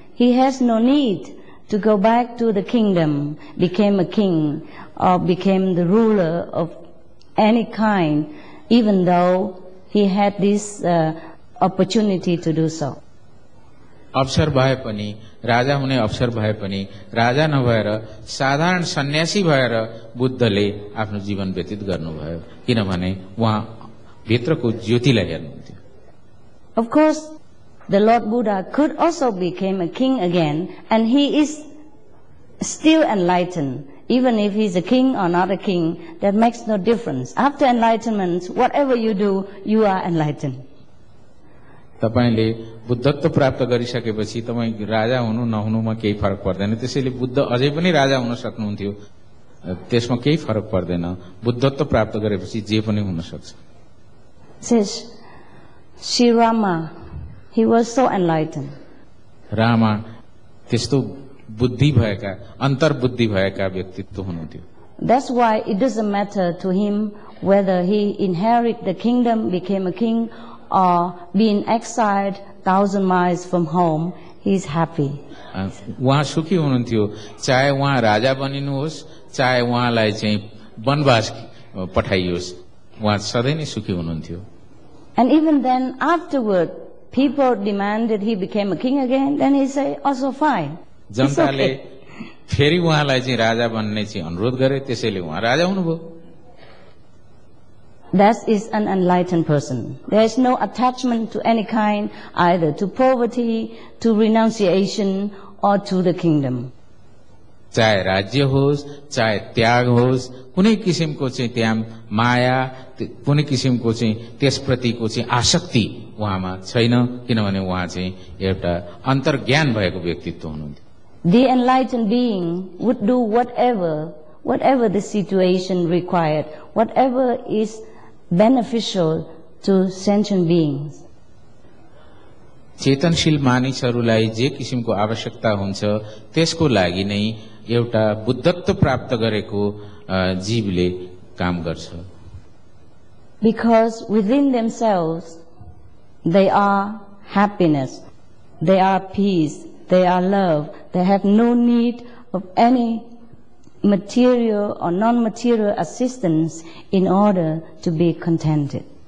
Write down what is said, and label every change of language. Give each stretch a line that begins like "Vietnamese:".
English: He has no need to go back to the kingdom, became a king, or became the ruler of any kind, even though he had this opportunity to do so.
Nepali: अवसर भए पनि राजा हुने अवसर भए पनि राजा नभएर साधारण सन्यासी भएर बुद्धले आफ्नो जीवन व्यतीत गर्नुभयो किनभने उहाँ भित्रको ज्योतिलाई हेर्नुहुन्थ्यो.
English: Of course, the Lord Buddha could also become a king again, and he is still enlightened. Even if he's a king or not a king, that makes no difference. After enlightenment, whatever you do, you are enlightened.
Nepali: तपाईँले बुद्धत्व प्राप्त गरिसकेपछि तपाईँ राजा हुनु नहुनुमा केही फरक पर्दैन. त्यसैले बुद्ध अझै पनि राजा हुन सक्नुहुन्थ्यो, त्यसमा केही फरक पर्दैन. बुद्धत्व प्राप्त गरेपछि जे पनि हुन सक्छ.
English: Shri Rama, he was so enlightened.
Nepali: Rama त्यस्तो बुद्धि भएका, अन्तर्बुद्धि भएका व्यक्तित्व हुनुहुन्थ्यो.
English: That's why it doesn't matter to him whether he inherit the kingdom, became a king, or being exiled 1,000 miles from home, he's happy.
Nepali: उहाँ सुखी हुनुहुन्थ्यो, चाहे उहाँ राजा बनिनुहोस् चाहे उहाँलाई चाहिँ वनवास पठाइयोस्, उहाँ सधैँ नै सुखी हुनुहुन्थ्यो.
English: And even then, afterward, people demanded he became a king again, then he said, also fine.
Nepali: जनताले फेरि उहाँलाई चाहिँ राजा बन्ने चाहिँ अनुरोध गरे, त्यसैले उहाँ राजा हुनुभयो.
English: That is an enlightened person. There is no attachment to any kind, either to poverty, to renunciation, or to the kingdom.
Nepali: चाहे राज्य होस् चाहे त्याग होस्, कुनै किसिमको चाहिँ त्याग माया, कुनै किसिमको चाहिँ त्यसप्रतिको चाहिँ आसक्ति उहाँमा छैन, किनभने उहाँ चाहिँ एउटा अन्तर्ज्ञान भएको व्यक्तित्व हुनुहुन्थ्यो.
English: The enlightened being would do whatever the situation required, whatever is beneficial to sentient beings.
Nepali: चेतनशील मानिसहरूलाई जे किसिमको आवश्यकता हुन्छ त्यसको लागि नै एउटा बुद्धत्व प्राप्त गरेको जीवले काम गर्छ.
English: Because within themselves they are happiness, they are peace, they are love, they have no need of any material or non-material assistance in order to be contented.